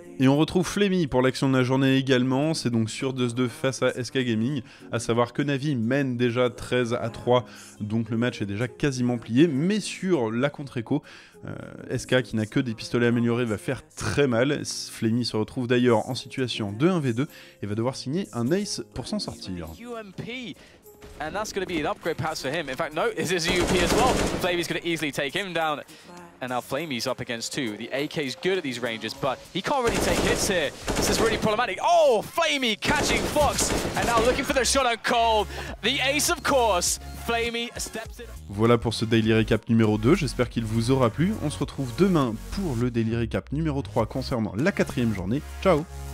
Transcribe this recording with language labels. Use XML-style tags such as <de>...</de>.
<fr>Et on retrouve Flemmy pour l'action de la journée également, c'est donc sur 2-2 face à SK Gaming, à savoir que Navi mène déjà 13 à 3, donc le match est déjà quasiment plié, mais sur la contre-écho, SK qui n'a que des pistolets améliorés va faire très mal. Flemmy se retrouve d'ailleurs en situation de 1v2 et va devoir signer un ace pour s'en sortir.</fr> <en>And that's going to be an upgrade pass for him. In fact, no, this is a UP as well. Flamey's going to easily take him down. And now Flamey's up against two. The AK's good at these ranges, but he can't really take hits here. This is really problematic. Oh, Flamey catching Fox. And now looking for the shot on Cole. The ace, of course. Flamey steps it up.</en> <fr>Voilà pour ce Daily Recap numéro 2. J'espère qu'il vous aura plu. On se retrouve demain pour le Daily Recap numéro 3 concernant la quatrième journée. Ciao!</fr>